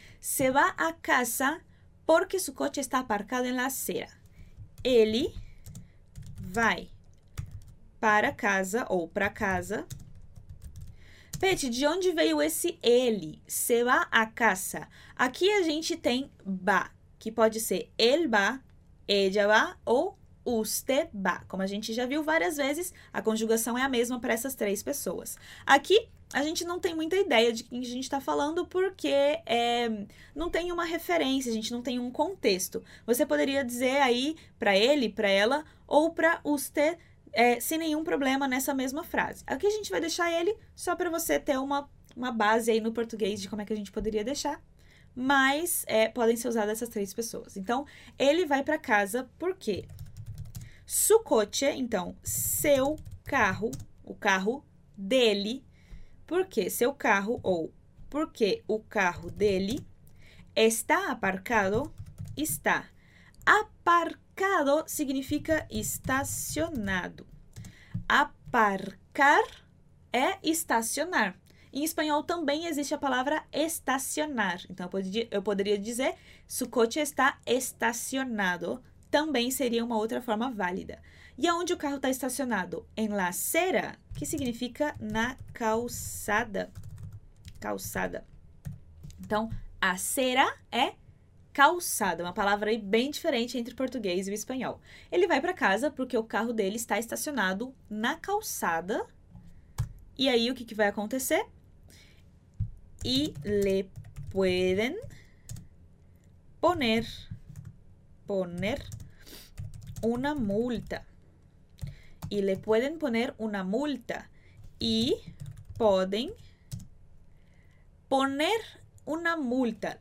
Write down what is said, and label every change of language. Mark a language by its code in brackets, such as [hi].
[es] Se va a casa porque su coche está aparcado en la acera. [pt] Ele vai para casa ou para casa. Pete, de onde veio esse ele? [es] Se va a casa. [pt] Aqui a gente tem va, que pode ser el va, ella va ou usted va. Como a gente já viu várias vezes, a conjugação é a mesma para essas três pessoas. Aqui a gente não tem muita ideia de quem a gente está falando porque não tem uma referência, a gente não tem um contexto. Você poderia dizer aí para ele, para ela ou para usted sem nenhum problema nessa mesma frase. Aqui a gente vai deixar ele só para você ter uma base aí no português de como é que a gente poderia deixar. Mas podem ser usadas essas três pessoas. Então ele vai para casa porque [es] su coche, [pt] então, seu carro, o carro dele. Por quê? Seu carro ou porque o carro dele está aparcado? Está. Aparcado significa estacionado. Aparcar é estacionar. Em espanhol também existe a palavra estacionar. Então, eu poderia dizer: [es] su coche está estacionado. [pt] Também seria uma outra forma válida. E aonde o carro está estacionado? [es] En la acera, [pt] que significa na calçada. Calçada. Então, acera é calçada. Uma palavra aí bem diferente entre o português e o espanhol. Ele vai para casa porque o carro dele está estacionado na calçada. E aí, o que que vai acontecer? [es] E le pueden poner una multa. Y le pueden poner una multa. Y pueden poner una multa.